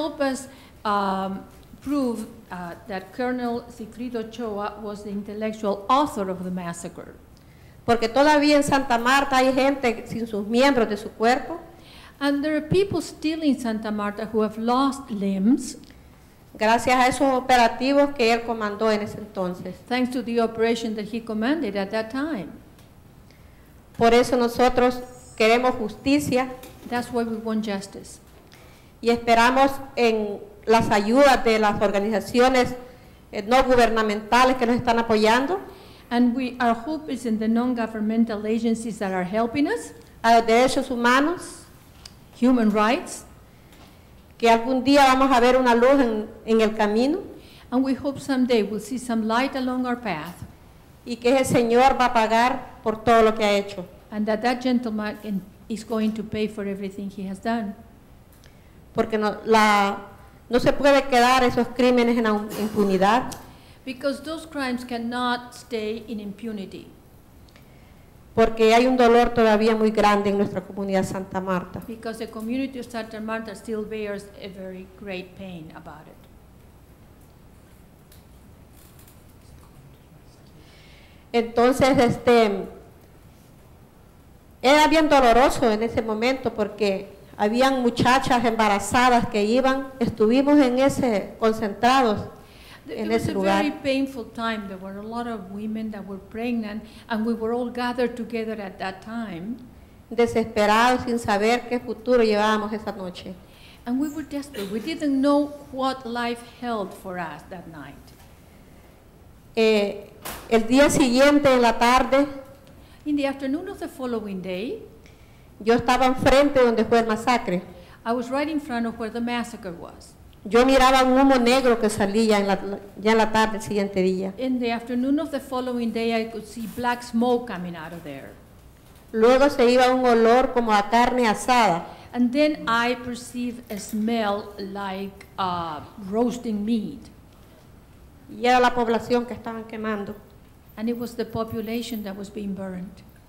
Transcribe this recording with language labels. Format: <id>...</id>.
<en>To help us prove that Colonel Cifrido Ochoa was the intellectual author of the massacre.</en> <es>Porque todavía en Santa Marta hay gente sin sus miembros de su cuerpo.</es> <en>And there are people still in Santa Marta who have lost limbs.</en> <es>Gracias a esos operativos que él comandó en ese entonces.</es> <en>Thanks to the operation that he commanded at that time.</en> <es>Por eso nosotros queremos justicia.</es> <en>That's why we want justice.</en> <es>Y esperamos en las ayudas de las organizaciones no gubernamentales que nos están apoyando.</es> <en>And we, our hope is in the non-governmental agencies that are helping us.</en> <es>A los derechos humanos.</es> <en>Human rights.</en> <es>Que algún día vamos a ver una luz en el camino.</es> <en>And we hope someday we'll see some light along our path.</en> <es>Y que el Señor va a pagar por todo lo que ha hecho.</es> <en>And that gentleman is going to pay for everything he has done.</en> <es>Porque no se puede quedar esos crímenes en impunidad.</es> <en>Because those crimes cannot stay in impunity.</en> <es>Porque hay un dolor todavía muy grande en nuestra comunidad Santa Marta.</es> <en>Because the community of Santa Marta still bears a very great pain about it.</en> <es>Entonces, era bien doloroso en ese momento porque habían muchachas embarazadas que iban, estuvimos en ese, concentrados en ese lugar.</es> <en>It was a very painful time. There were a lot of women that were pregnant and we were all gathered together at that time.</en> <es>Desesperados, sin saber qué futuro llevábamos esa noche.</es> <en>And we were desperate. We didn't know what life held for us that night.</en> <es>El día siguiente en la tarde,</es> <en>in the afternoon of the following day,</en> <es>yo estaba enfrente donde fue el masacre.</es> <en>I was right in front of where the massacre was.</en> <es>Yo miraba un humo negro que salía ya en la tarde el siguiente día.</es> <en>In the afternoon of the following day, I could see black smoke coming out of there.</en> <es>Luego se iba un olor como a carne asada.</es> <en>And then I perceived a smell like roasting meat.</en> <es>Y era la población que estaban quemando.</es> <en>And it was the population that was being burned.</en>